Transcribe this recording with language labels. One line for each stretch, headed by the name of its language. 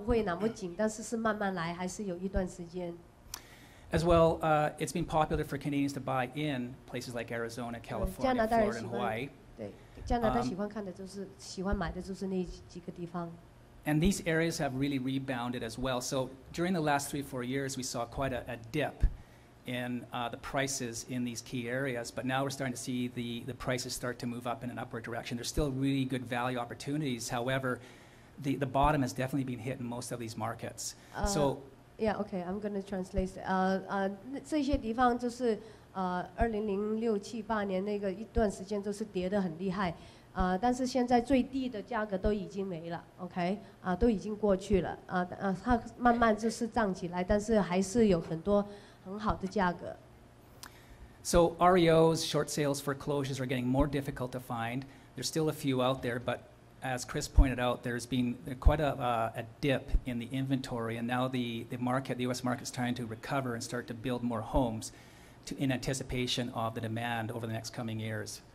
Chinese: 现在开始是开放一点了，它不会那么紧，但是是慢慢来，还是有一段时间。
English: As well, it's been popular for Canadians to buy in places like Arizona, California, Florida, and Hawaii.
Chinese: 加拿大喜欢看的就是喜欢买的就是那几个地方。
English: And these areas have really rebounded as well. So during the last 3-4 years, we saw quite a dip in the prices in these key areas. But now we're starting to see the prices start to move up in an upward direction. There's still really good value opportunities. However, the bottom has definitely been hit in most of these markets. So yeah, okay, I'm going to translate.
Chinese: 这些地方就是 2007、8年那个一段时间都是跌得很厉害，但是现在最低的价格都已经没了，OK，都已经过去了，它慢慢就是涨起来，但是还是有很多很好的价格。
English: So REOs, short sales, foreclosures are getting more difficult to find. There's still a few out there, but as Chris pointed out, there's been quite a dip in the inventory, and now the market, the U.S. market, is trying to recover and start to build more homes to, in anticipation of the demand over the next coming years.